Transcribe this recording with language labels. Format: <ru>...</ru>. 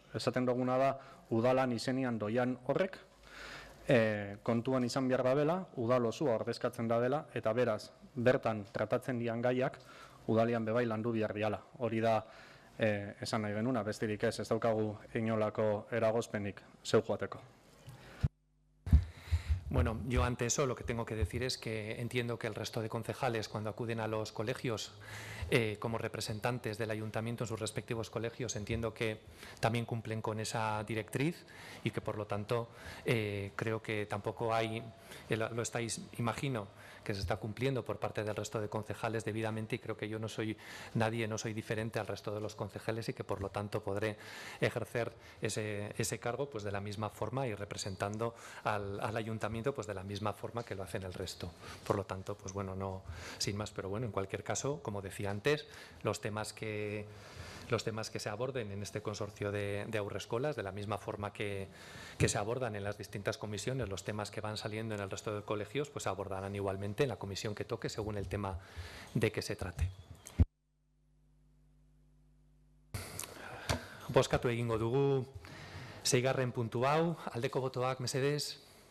<eu>Esaten duguna da, udalan izenian doian horrek, kontuan izan behar dabela, udal osua ordezkatzen dabela, eta beraz, bertan tratatzen dian gaiak, udalian bebai landu behar diala. Hori da, esan nahi genuna, besterik ez daukagu inolako eragozpenik zeu joateko.</eu> <es>Bueno, yo ante eso lo que tengo que decir es que entiendo que el resto de concejales, cuando acuden a los colegios como representantes del ayuntamiento en sus respectivos colegios, entiendo que también cumplen con esa directriz y que, por lo tanto, creo que tampoco hay, lo estáis, imagino, que se está cumpliendo por parte del resto de concejales debidamente, y creo que yo no soy nadie, no soy diferente al resto de los concejales, y que, por lo tanto, podré ejercer ese cargo pues de la misma forma y representando al ayuntamiento pues de la misma forma que lo hacen el resto. Por lo tanto, pues bueno, no, sin más, pero bueno, en cualquier caso, como decía antes, los temas que se aborden en este consorcio de aurreescuelas, de la misma forma que se abordan en las distintas comisiones, los temas que van saliendo en el resto de colegios, pues se abordarán igualmente en la comisión que toque, según el tema de que se trate.</es> <eu>Bozkatu egingo dugu, seigarren puntu hau, aldeko botoak, mesedez.</eu>